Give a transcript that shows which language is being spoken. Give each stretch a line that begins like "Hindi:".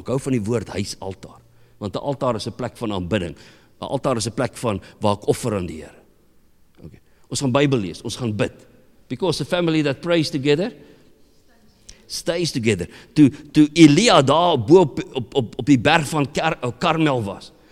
Afrikaans: Ek hou van die woord huisaltaar. Want die altaar is 'n plek van aanbidding. Die altaar is 'n plek van waar ek offer aan die Here. Okay. Ons gaan Bybel lees, ons gaan bid.
English: Because a family that prays together stays together.
Afrikaans: To Elia daar bo op die berg van Karmel was.